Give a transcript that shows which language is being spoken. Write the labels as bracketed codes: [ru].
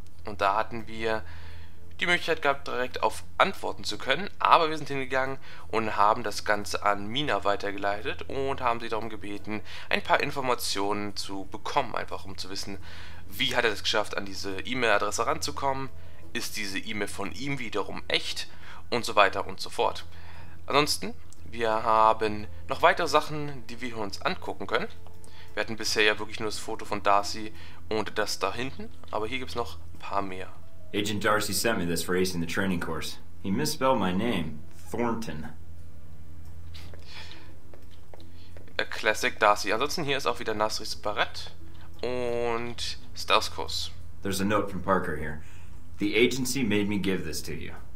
[de] Und da hatten wir die Möglichkeit gehabt, direkt auf antworten zu können, aber wir sind hingegangen und haben das Ganze an Mina weitergeleitet und haben sie darum gebeten, ein paar Informationen zu bekommen, einfach um zu wissen, wie hat er es geschafft, an diese E-Mail-Adresse ranzukommen, ist diese E-Mail von ihm wiederum echt und so weiter und so fort. Ansonsten, wir haben noch weitere Sachen, die wir uns angucken können. Wir hatten bisher ja wirklich nur das Foto von Darcy und das da hinten, aber hier gibt es noch ein paar mehr. [en] Agent Darcy sent me this for acing the training course. He misspelled my name, Thornton. A classic Darcy. [de] Ansonsten hier ist auch wieder Nasri's Barrett und Stealth Course. [en] There's a note from Parker here. The agency made me give this to you.